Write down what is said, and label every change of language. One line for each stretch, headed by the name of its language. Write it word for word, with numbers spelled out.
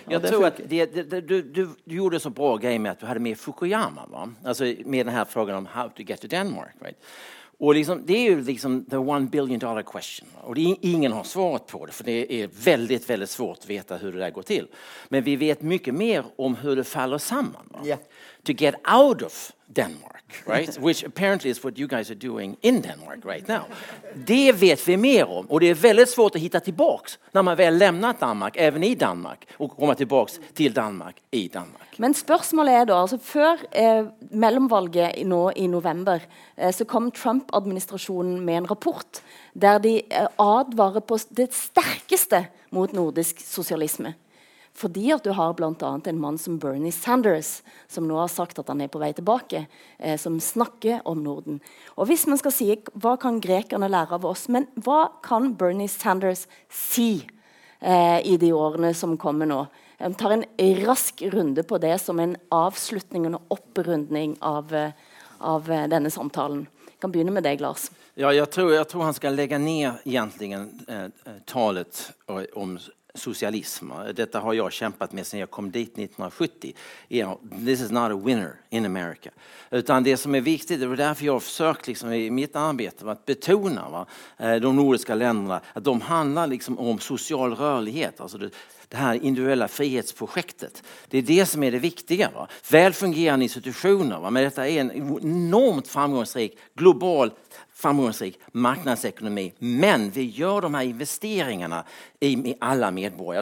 Swedish: Jag ja, tror att det, det, du, du, du gjorde så bra grej med att du hade med Fukuyama, va? Alltså med den här frågan om
English: how to get to Denmark, right?
Swedish: Och liksom, det är ju liksom
English: the one billion dollar question.
Swedish: Och det är, ingen har svarat på det, för det är väldigt, väldigt svårt att veta hur det där går till. Men vi vet mycket mer om hur det faller samman. Va? Yeah.
English: To get out of Denmark, right? Which apparently is what you guys are doing in Denmark right now.
Swedish: Det vet vi mer om, och det är väldigt svårt att hitta tillbaks när man väl lämnat Danmark, även i Danmark, och komma tillbaks till Danmark i Danmark.
Norwegian: Men spørsmålet er da, altså før eh, mellomvalget nå i november, eh, så kom Trump-administrasjonen med en rapport der de eh, advarer på det sterkeste mot nordisk sosialisme. Fordi at du har blant annet en mann som Bernie Sanders, som nå har sagt at han er på vei tilbake, eh, som snakker om Norden. Og hvis man skal si, hva kan grekerne lære av oss, men hva kan Bernie Sanders si eh, i de årene som kommer nå? Jeg tar en rask runde på det som en avslutning og opprundning av, av denne samtalen. Jeg kan begynne med deg, Lars.
Swedish: Ja, jag tror, jag tror han ska lägga ner egentligen eh, talet om socialism. Detta har jag kämpat med sedan jag kom dit nittonhundrasjuttio.
English: You know, this is not a winner in America.
Swedish: Utan det som är viktigt, det var därför jag har försökt liksom, i mitt arbete att betona va, de nordiska länderna att de handlar liksom, om social rörlighet. Alltså det, det här individuella frihetsprojektet. Det är det som är det viktiga. Va? Välfungerande institutioner. Va? Men detta är en enormt framgångsrik global framgångsrik marknadsekonomi, men vi gör de här investeringarna i, i alla medborgare.